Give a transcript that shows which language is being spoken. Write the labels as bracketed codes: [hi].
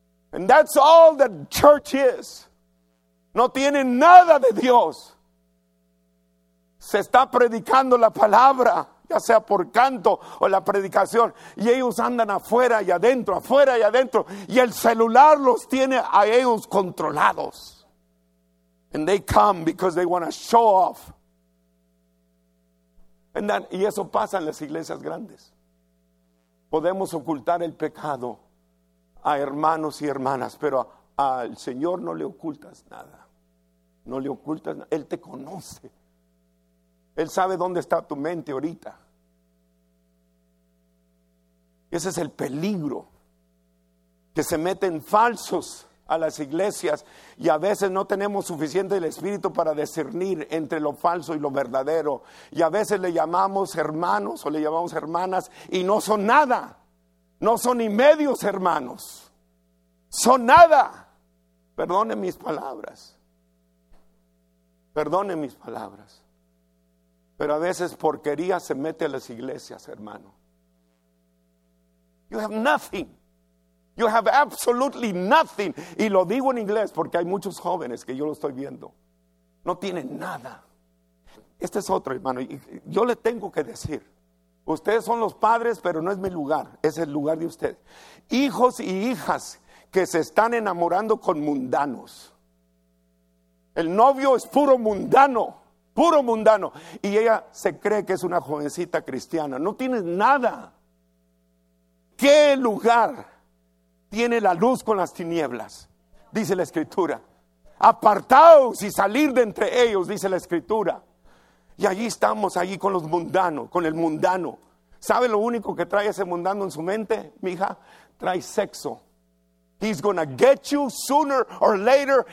[en] And that's all the church is. [es] No tiene nada de Dios. Se está predicando la palabra, ya sea por canto o la predicación, y ellos andan afuera y adentro, afuera y adentro, y el celular los tiene a ellos controlados. [en] And they come because they want to show off. [es] Y eso pasa en las iglesias grandes. Podemos ocultar el pecado a hermanos y hermanas, pero al Señor no le ocultas nada. No le ocultas nada. Él te conoce. Él sabe dónde está tu mente ahorita. Ese es el peligro, que se meten falsos a las iglesias y a veces no tenemos suficiente el espíritu para discernir entre lo falso y lo verdadero. Y a veces le llamamos hermanos o le llamamos hermanas y no son nada. no son ni medios hermanos, son nada. Perdone mis palabras, perdone mis palabras. Pero a veces porquería se mete a las iglesias, hermano. [en] You have nothing. You have absolutely nothing. [es] Y lo digo en inglés porque hay muchos jóvenes que yo lo estoy viendo. No tienen nada. Este es otro, hermano. Y yo le tengo que decir. Ustedes son los padres, pero no es mi lugar. Es el lugar de ustedes. Hijos y hijas que se están enamorando con mundanos. El novio es puro mundano. Puro mundano. Y ella se cree que es una jovencita cristiana. No tiene nada. ¿Qué lugar tiene la luz con las tinieblas? Dice la escritura. Apartaos y salir de entre ellos, dice la escritura. Y allí estamos, allí con los mundanos, con el mundano. ¿Sabe lo único que trae ese mundano en su mente, mija? Trae sexo. [en] He's gonna get you sooner or later.